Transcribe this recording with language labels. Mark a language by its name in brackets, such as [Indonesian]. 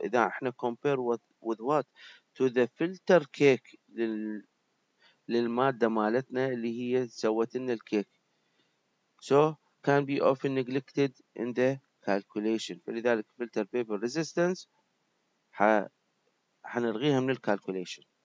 [Arabic] إذا احنا [English] compare with what to the filter cake [Arabic] للمادة مالتنا اللي هي سوت لنا الكيك. [English] So can be often neglected in the calculation. [Arabic] فلذلك filter paper resistance حنلغيها من الكالكوليشن.